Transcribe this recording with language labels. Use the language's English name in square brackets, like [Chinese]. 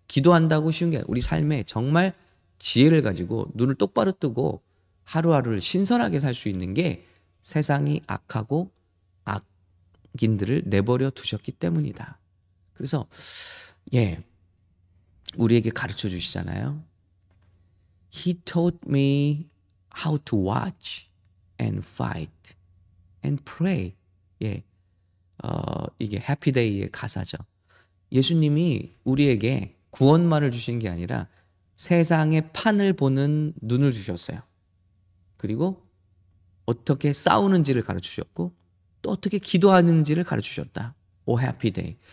[Korean] 기도한다고 쉬운 게 아니네. 우리 삶에 정말 지혜를 가지고 눈을 똑바로 뜨고 하루하루를 신선하게 살수 있는 게 세상이 악하고 악인들을 내버려 두셨기 때문이다. 그래서, 예, 우리에게 가르쳐 주시잖아요. [English] He taught me how to watch and fight and pray. [Korean] 예. 이게 해피데이의 가사죠. 예수님이 우리에게 구원만을 주신 게 아니라 세상의 판을 보는 눈을 주셨어요. 그리고 어떻게 싸우는지를 가르쳐 주셨고, 또 어떻게 기도하는지를 가르쳐 주셨다. 오 해피 데이.